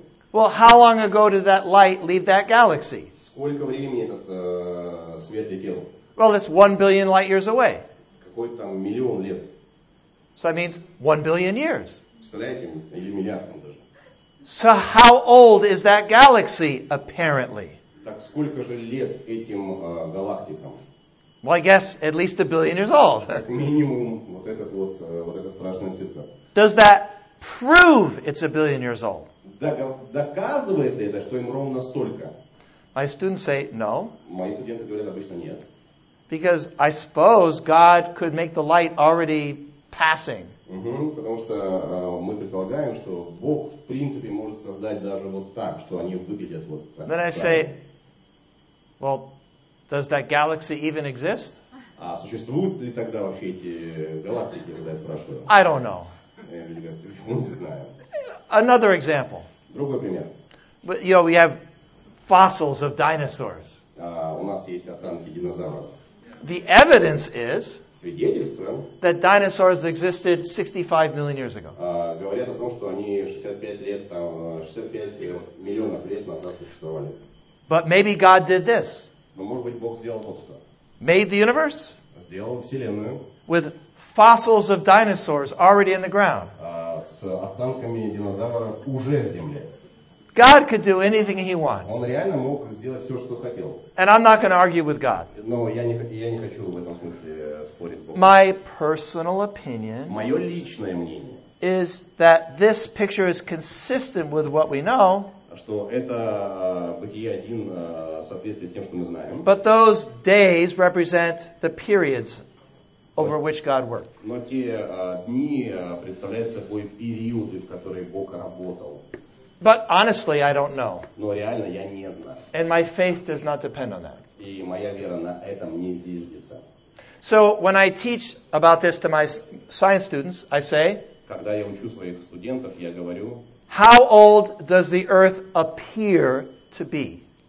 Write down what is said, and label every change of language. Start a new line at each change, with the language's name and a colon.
English: Well, how long ago did that light leave that galaxy?
Russian: Сколько времени этот свет летел?
English: Well, it's 1 billion light years away.
Russian: Какой там миллион лет?
English: So that means 1 billion years.
Russian: Представляете, или миллиард там даже.
English: So how old is that galaxy, apparently?
Russian: Так сколько же лет этим галактикам?
English: Well, I guess at least 1 billion years old.
Russian: Минимум вот этот вот, вот эта страшная цифра.
English: Does that prove it's 1 billion years old?
Russian: Доказывает ли это, что им ровно столько?
English: My students say no.
Russian: Мои студенты говорят обычно нет.
English: Because I suppose God could make the light already passing.
Russian: Потому что мы предполагаем, что Бог в принципе может создать даже вот так, что они выглядят вот так.
English: Then I say, well, does that galaxy even exist?
Russian: А существуют ли тогда вообще эти галактики, когда я спрашиваю?
English: I don't know.
Russian: Не знаю.
English: Another example.
Russian: Другой пример.
English: But we have fossils of dinosaurs.
Russian: У нас есть останки динозавров.
English: The evidence is
Russian: свидетельство,
English: that dinosaurs existed 65 million years ago.
Russian: Говорят о том, что они 65 миллионов лет назад существовали.
English: But maybe God did this.
Russian: Но может быть Бог сделал вот что.
English: Made the universe?
Russian: Сделал вселенную.
English: With fossils of dinosaurs already in the ground.
Russian: С останками динозавров уже в земле.
English: God could do anything he wants.
Russian: Он реально мог сделать все, что хотел.
English: And I'm not going to argue with God.
Russian: Но я не хочу в этом смысле спорить с Богом.
English: My personal opinion.
Russian: Мое личное мнение.
English: Is that this picture is consistent with what we know.
Russian: Что это Бытие один соответствует с тем, что мы знаем.
English: But those days represent the periods over which God worked.
Russian: Но те дни представляют собой периоды, в которые Бог работал.
English: But honestly, I don't know.
Russian: Но реально я не знаю.
English: And my faith does not depend on that.
Russian: И моя вера на этом не зиждется.
English: So when I teach about this to my science students, I say,
Russian: когда я учу своих студентов, я говорю,
English: how old does the earth appear to be?